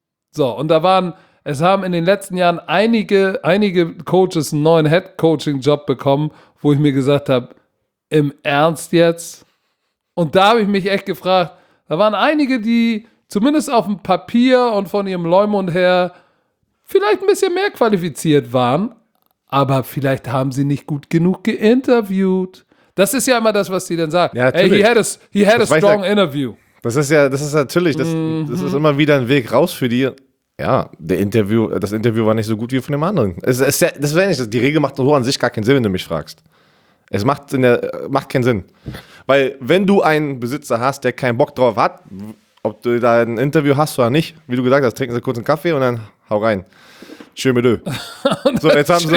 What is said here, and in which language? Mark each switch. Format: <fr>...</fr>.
<de>So, und da waren, es haben in den letzten Jahren einige Coaches einen neuen Head-Coaching-Job bekommen, wo ich mir gesagt habe, im Ernst jetzt? Und da habe ich mich echt gefragt, da waren einige, die zumindest auf dem Papier und von ihrem Leumund her vielleicht ein bisschen mehr qualifiziert waren, aber vielleicht haben sie nicht gut genug geinterviewt. Das ist ja immer das, was sie dann sagen. Ja, hey,</de> <en>he had a strong interview.</en> <de>Das ist ja, das ist natürlich, das, das ist immer wieder ein Weg raus für die. Ja, das Interview war nicht so gut wie von dem anderen. Die Regel macht so an sich gar keinen Sinn, wenn du mich fragst. Es macht, in der, macht keinen Sinn. Weil wenn du einen Besitzer hast, der keinen Bock drauf hat, ob du da ein Interview hast oder nicht, wie du gesagt hast, trinken sie kurz einen Kaffee und dann hau rein. Schön mit Ö. So, jetzt haben sie.</de>